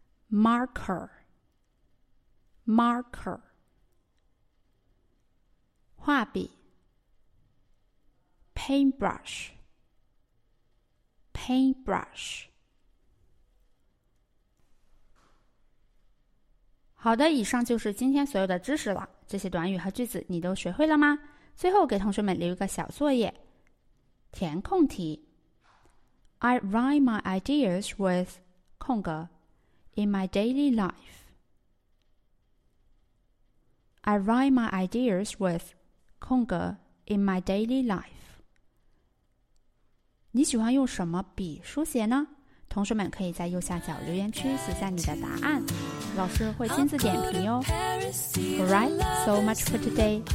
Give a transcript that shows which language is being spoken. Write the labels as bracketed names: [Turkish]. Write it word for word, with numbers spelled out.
[English] marker, marker. [Chinese] 画笔 [English] paintbrush, paintbrush. [Chinese] 好的，以上就是今天所有的知识了。这些短语和句子你都学会了吗？最后给同学们留一个小作业，填空题。 [English] I write my ideas with 空格 in my daily life. I write my ideas with 空格 in my daily life. [Chinese] 你喜欢用什么笔书写呢？同学们可以在右下角留言区写下你的答案，老师会亲自点评哟。 [English] Alright, so much for today.